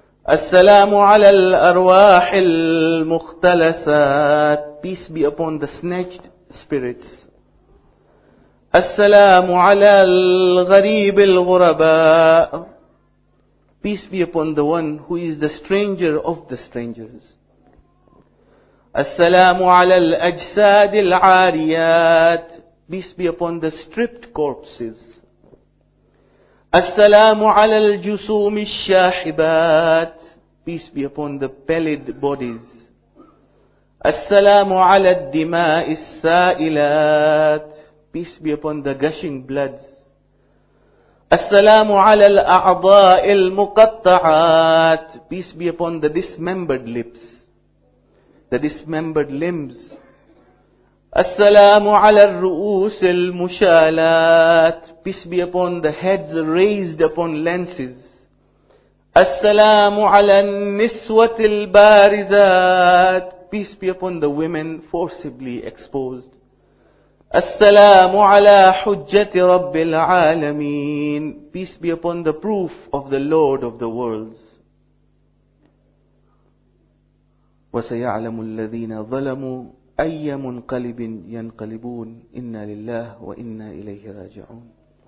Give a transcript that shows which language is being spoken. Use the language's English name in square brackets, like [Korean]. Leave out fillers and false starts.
[Arabic] السلام على الأرواح المختلسات. [English] Peace be upon the snatched spirits. [Arabic] السلام على الغريب الغرباء. [English] Peace be upon the one who is the stranger of the strangers. [Arabic] السلام على الأجساد العاريات. [English] Peace be upon the stripped corpses. [Arabic] السلام على الجسوم الشاحبات. [English] Peace be upon the pallid bodies. [Arabic] السلام على الدماء السائلات. [English] Peace be upon the gushing bloods. [Arabic] السلام على الأعضاء المقطعات. [English] Peace be upon the dismembered lips, the dismembered limbs. [Arabic] السلام على الرؤوس المشالات. [English] Peace be upon the heads raised upon lances. [Arabic] السلام على النسوة البارزات. [English] Peace be upon the women forcibly exposed. [Arabic] السلام على حجة رب العالمين. [English] Peace be upon the proof of the Lord of the worlds. [Arabic] وسيعلم الذين ظلموا أي منقلب ينقلبون. إنا لله وإنا إليه راجعون.